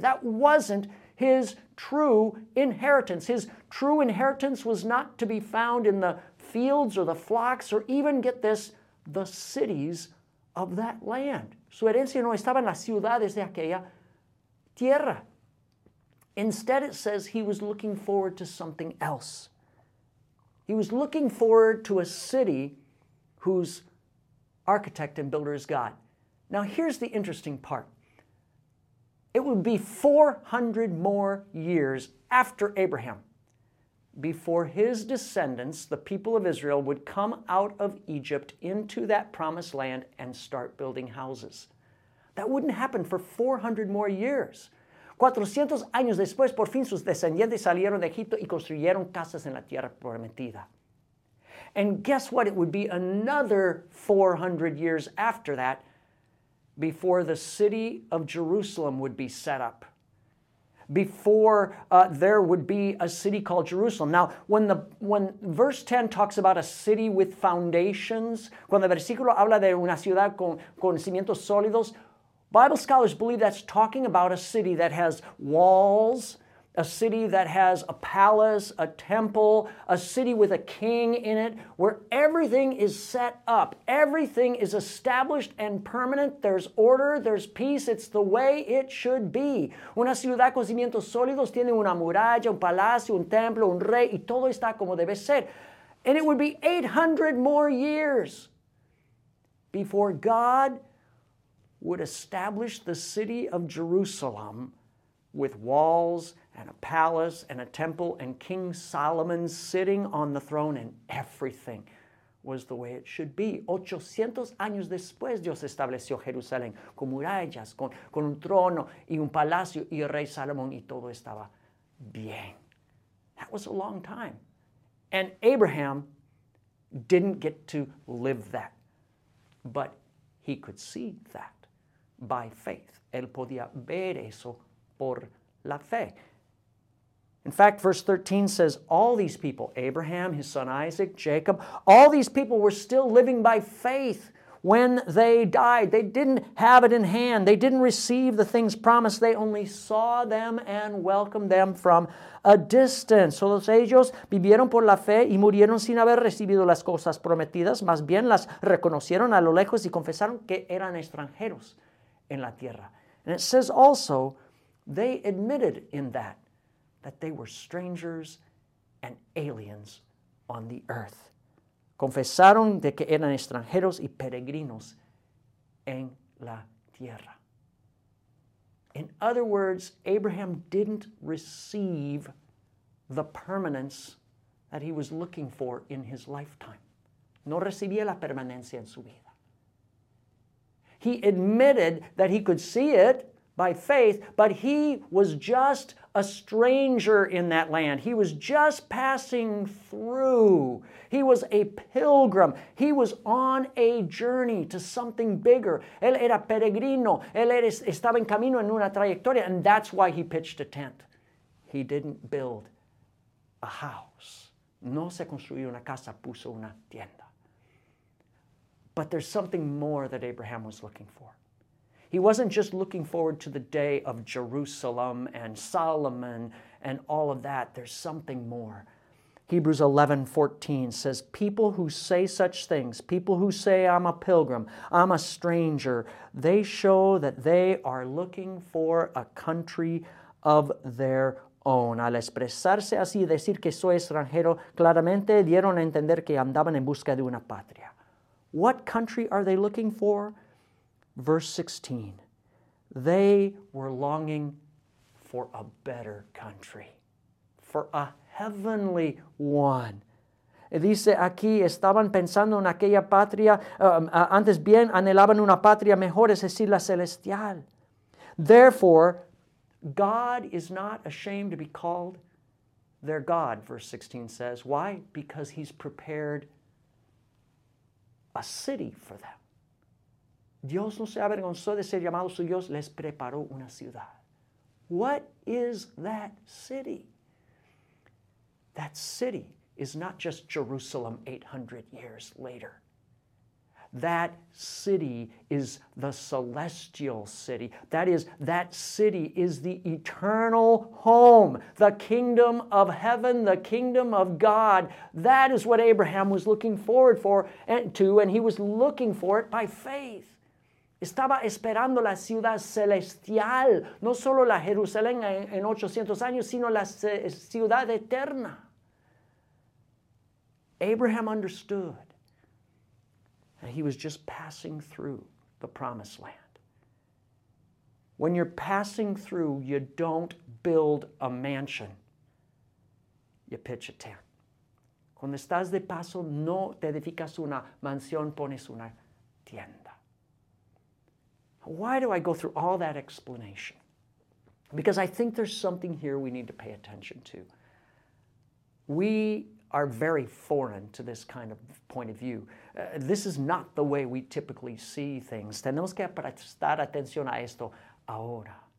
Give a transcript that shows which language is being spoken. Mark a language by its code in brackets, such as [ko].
[en] That wasn't his true inheritance. His true inheritance was not to be found in the fields or the flocks or even, get this, the cities of that land. [es] Su herencia no estaba en las ciudades de aquella tierra. [en] Instead, it says he was looking forward to something else. He was looking forward to a city whose architect and builder is God. Now, here's the interesting part. It would be 400 more years after Abraham before his descendants, the people of Israel, would come out of Egypt into that promised land and start building houses. That wouldn't happen for 400 more years. [es] 400 años después, por fin sus descendientes salieron de Egipto y construyeron casas en la tierra prometida. [en] And guess what? It would be another 400 years after that before the city of Jerusalem would be set up, before there would be a city called Jerusalem. Now, when verse 10 talks about a city with foundations, [es] cuando el versículo habla de una ciudad con cimientos sólidos, [en] Bible scholars believe that's talking about a city that has walls, a city that has a palace, a temple, a city with a king in it, where everything is set up. Everything is established and permanent. There's order, there's peace. It's the way it should be. [es] Una ciudad con cimientos sólidos tiene una muralla, un palacio, un templo, un rey, y todo está como debe ser. [en] And it would be 800 more years before God would establish the city of Jerusalem with walls and a palace and a temple and King Solomon sitting on the throne, and everything was the way it should be. [es] 800 años después, Dios estableció Jerusalén con murallas, con un trono y un palacio y el rey Salomón, y todo estaba bien. [en] That was a long time. And Abraham didn't get to live that, but he could see that by faith. [es] Él podía ver eso por la fe. [en] In fact, verse 13 says, all these people, Abraham, his son Isaac, Jacob, all these people were still living by faith when they died. They didn't have it in hand. They didn't receive the things promised. They only saw them and welcomed them from a distance. [es] Todos ellos vivieron por la fe y murieron sin haber recibido las cosas prometidas. Más bien las reconocieron a lo lejos y confesaron que eran extranjeros en la tierra. [en] And it says also, they admitted in that, that they were strangers and aliens on the earth. [es] Confesaron de que eran extranjeros y peregrinos en la tierra. [en] In other words, Abraham didn't receive the permanence that he was looking for in his lifetime. [es] No recibía la permanencia en su vida. [en] He admitted that he could see it by faith, but he was just a stranger in that land. He was just passing through. He was a pilgrim. He was on a journey to something bigger. [es] Él era peregrino. Él estaba en camino en una trayectoria. [en] And that's why he pitched a tent. He didn't build a house. [es] No se construyó una casa, puso una tienda. [en] But there's something more that Abraham was looking for. He wasn't just looking forward to the day of Jerusalem and Solomon and all of that. There's something more. Hebrews 11, 14 says, people who say such things, people who say, I'm a pilgrim, I'm a stranger, they show that they are looking for a country of their own. [es] Al expresarse así y decir que soy extranjero, claramente dieron a entender que andaban en busca de una patria. [en] What country are they looking for? Verse 16, they were longing for a better country, for a heavenly one. [es] Y dice aquí, estaban pensando en aquella patria, antes bien anhelaban una patria mejor, es decir, la celestial. [en] Therefore, God is not ashamed to be called their God, verse 16 says. Why? Because he's prepared a city for them. [es] Dios no se avergonzó de ser llamado su Dios, les preparó una ciudad. [en] What is that city? That city is not just Jerusalem 800 years later. That city is the celestial city. That is, that city is the eternal home, the kingdom of heaven, the kingdom of God. That is what Abraham was looking forward to, and he was looking for it by faith. [es] Estaba esperando la ciudad celestial, no solo la Jerusalén en 800 años, sino la ciudad eterna. [en] Abraham understood that he was just passing through the promised land. When you're passing through, you don't build a mansion. You pitch a tent. [es] Cuando estás de paso, no te edificas una mansión, pones una tienda. [en] Why do I go through all that explanation? Because I think there's something here we need to pay attention to. We are very foreign to this kind of point of view. This is not the way we typically see things. [es] Tenemos que prestar atención a esto ahora.